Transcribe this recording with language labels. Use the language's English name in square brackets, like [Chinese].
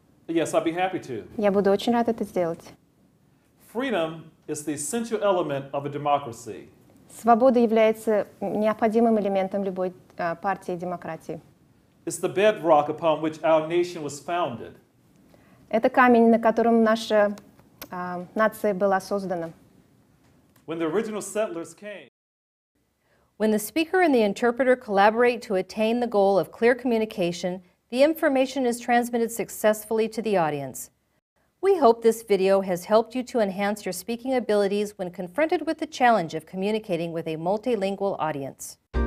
[English] Yes, I'd be happy to. [Russian] Я буду очень рад это сделать. [English] Freedom is the essential element of a democracy. [Russian] Свобода является необходимым элементом любой партии демократии. [English] It's the bedrock upon which our nation was founded. [Russian] Это камень, на котором наша нация была создана. [English] When the original settlers came. When the speaker and the interpreter collaborate to attain the goal of clear communication, the information is transmitted successfully to the audience. We hope this video has helped you to enhance your speaking abilities when confronted with the challenge of communicating with a multilingual audience.